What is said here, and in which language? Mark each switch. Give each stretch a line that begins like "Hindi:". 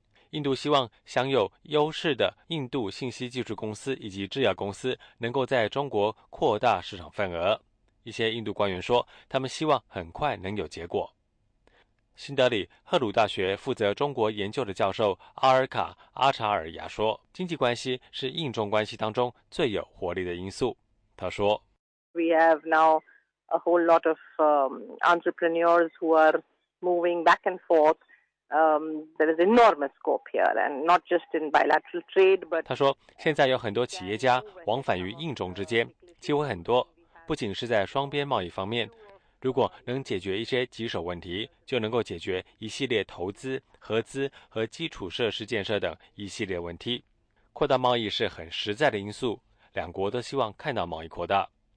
Chinese: 印度希望享有优势的印度信息技术公司以及制药公司能够在中国扩大市场份额。一些印度官员说，他们希望很快能有结果。新德里赫鲁大学负责中国研究的教授阿尔卡阿查尔亚说，经济关系是印中关系当中最有活力的因素。他说
English: We have now a whole lot of entrepreneurs who are moving back and forth. There is enormous scope here, and not just in bilateral trade, but
Chinese: 他说现在有很多企业家往返于印中之间，机会很多，不仅是在双边贸易方面。如果能解决一些棘手问题，就能够解决一系列投资、合资和基础设施建设等一系列问题。扩大贸易是很实在的因素，两国都希望看到贸易扩大。